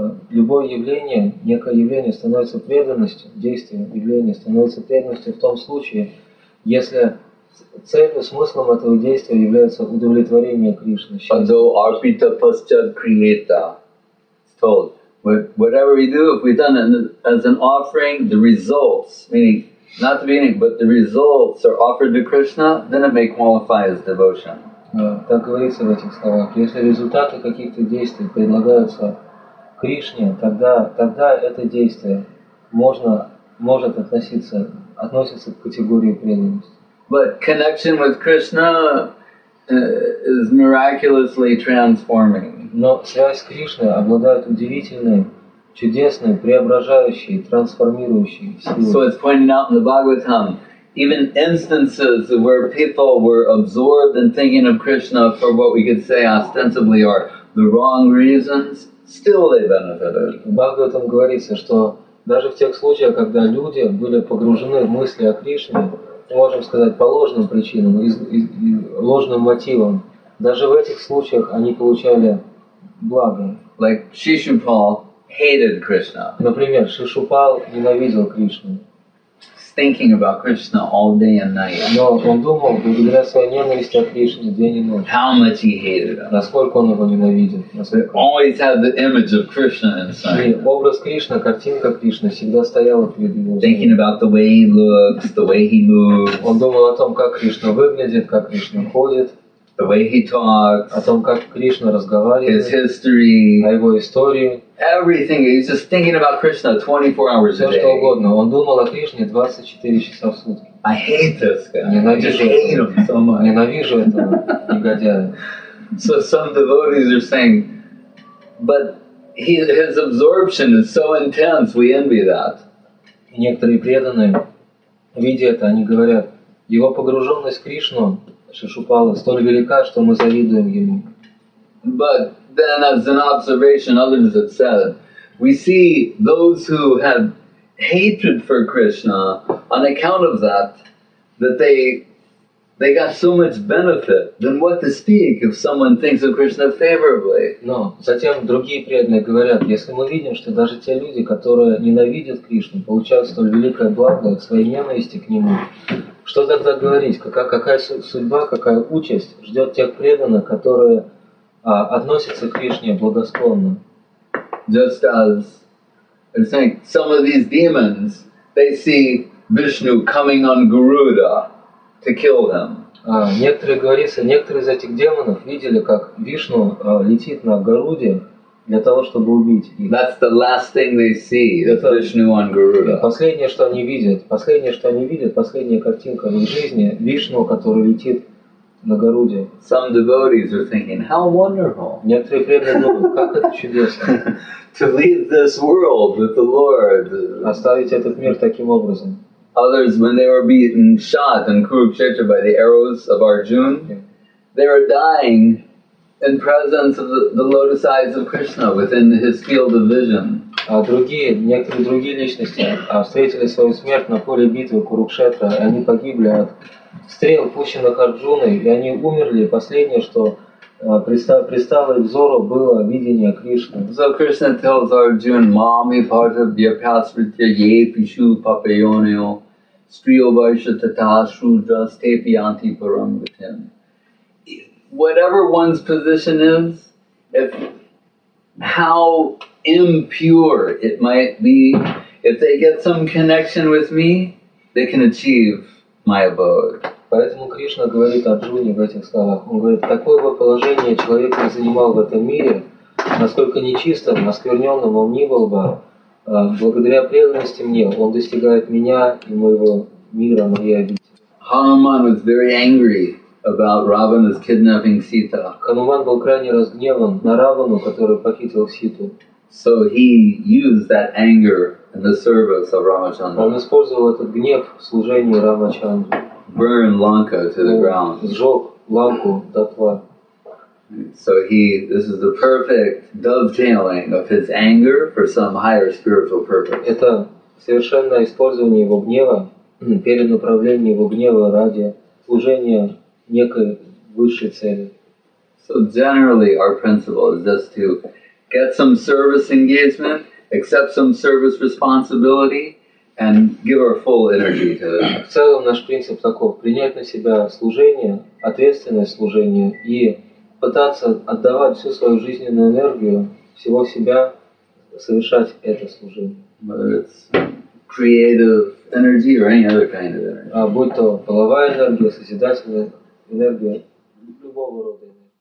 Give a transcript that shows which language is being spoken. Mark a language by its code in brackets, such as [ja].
[ru] Любое явление, некое явление становится преданностью, действие, явление становится преданностью в том случае, если целью, смыслом этого действия является удовлетворение Кришны. [sa] Ado arpita paschad kriyata. [en] It's told. Whatever we do, if we've done it as an offering, the results, meaning not the meaning, but the results are offered to Krishna, then it may qualify as devotion. [ru] Как говорится в этих словах, если результаты каких-то действий предлагаются Кришне, тогда это действие может относиться к категории преданности. [en] But connection with Krishna is miraculously transforming. [ru] Но связь с Кришной обладает удивительной, чудесной, преображающей, трансформирующей силой. [en] So it's pointed out in the Bhagavatam. Even instances where people were absorbed in thinking of Krishna for what we could say ostensibly are the wrong reasons, still they benefited. [ru] В Бхагаватам говорится, что даже в тех случаях, когда люди были погружены в мысли о Кришне, мы можем сказать по ложным причинам и ложным мотивам, даже в этих случаях они получали благо. [en] Like Shishupal hated Krishna. [ru] Например, Шишупал ненавидел Кришну. [en] Thinking about Krishna all day and night. [ru] Но он думал, благодаря своей ненависти о Кришне день и ночь. [en] How much he hated him. [ru] Насколько он его ненавидел. [en] Always had the image of Krishna inside. [ru] И образ Кришны, картинка Кришны всегда стояла перед его. [en] Thinking about the way he looks, the way he moves. [ru] Он думал о том, как Кришна выглядит, как Кришна ходит. [en] The way he talks. [ru] О том, как Кришна разговаривает. [en] His history. [ru] О его истории. [en] Everything. He's just thinking about Krishna 24 hours a day. [ru] Все что угодно. Он думал о Кришне 24 часа в сутки. [en] I hate this guy. [ru] Ненавижу этого негодяя. [en] So some devotees are saying, but his absorption is so intense. We envy that. [ru] И некоторые преданные, видя это, они говорят, его погруженность в Кришну Шишупала столь велика, что мы завидуем ему. [en] But then, as an observation, others have said, we see those who have hatred for Krishna on account of that they got so much benefit. Then what to speak if someone thinks of Krishna favorably? [ru] Но затем другие преданные говорят, если мы видим, что даже те люди, которые ненавидят Кришну, получают столь великое благо от своей ненависти к нему. Что тогда говорить? Какая судьба, какая участь ждет тех преданных, которые относятся к Кришне благосклонно? [en] Just as I'm saying, some of these demons, they see Vishnu coming on Garuda to kill them. [ru] Некоторые говорится, некоторые из этих демонов видели, как Вишну летит на Гаруде для того, чтобы убить их. [en] That's the last thing they see. That's Vishnu on Garuda. [ru] Последнее, что они видят, последняя картинка в их жизни Вишну, который летит на Гаруде. [en] Some devotees are thinking, how wonderful. [ru] Некоторые преданные думают, как это чудесно. [en] To leave this world with the Lord. [ru] Оставить этот мир таким образом. [en] Others, when they were beaten, shot in Kurukshetra by the arrows of Arjuna, they were dying in presence of the lotus eyes of Krishna within his field of vision. [ru] Некоторые другие личности встретили свою смерть на поле битвы Курукшетра, и они погибли от стрел, пущенных Арджуной, и они умерли. Последнее, что пристало их взору, было видение Кришны. [en] So Krishna tells Arjuna, [sa] Mami Parta Vyapasritya Yepishu Papayonio Striyo Vaisha Tatashudras Tepiyanti Parangatim. [en] Whatever one's position is, if how impure it might be, if they get some connection with me, they can achieve my abode. [ru] Поэтому Кришна говорит Арджуне в этих словах. Он говорит, такое бы положение человек не занимал в этом мире, насколько нечистым, оскверненным он ни был бы, благодаря преданности мне, он достигает меня и моего мира, моей обители. [en] Hanuman was very angry about Ravana's kidnapping Sita. [ru] Хануман был крайне разгневан на Равану, который похитил Ситу. [en] So he used that anger in the service of Ramachandra. [ru] Он использовал этот гнев в служении Рамачандре. [en] Burn Lanka to the ground. [ru] Сжег Ланку дотла. [en] So he, this is the perfect dovetailing of his anger for some higher spiritual purpose. [ru] Это совершенно использование его гнева, перенаправление его гнева ради служения некой высшей цели. [en] So generally our principle is just to get some service engagement, accept some service responsibility, and give our full energy to that. [ru] В целом наш принцип таков: принять на себя служение, ответственное служение, и пытаться отдавать всю свою жизненную энергию, всего себя, совершать это служение. [en] Whether it's creative energy or any other kind of energy. [ru] Будь то половая энергия, созидательная энергия любого рода.